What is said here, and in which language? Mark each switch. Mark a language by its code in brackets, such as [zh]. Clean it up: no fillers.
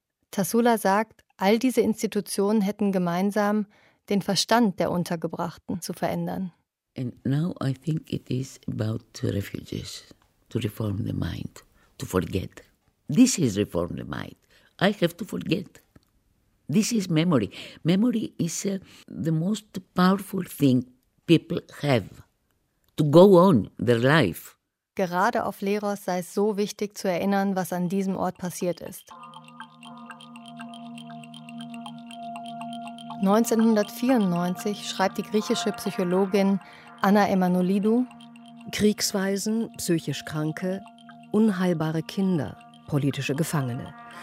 [de] Tassoula sagt, all diese Institutionen hätten gemeinsam den Verstand der Untergebrachten zu verändern. [en] And now I think it is about refugees, to reform the mind, to forget. This is reform the mind. I have to forget. This is memory. Memory is the most powerful thing people have to go on their life. [de] Gerade auf Leros sei es so wichtig zu erinnern, was an diesem Ort passiert ist. 1994 schreibt die griechische Psychologin Anna Emanolidou: Kriegsweisen, psychisch Kranke, unheilbare Kinder, politische Gefangene.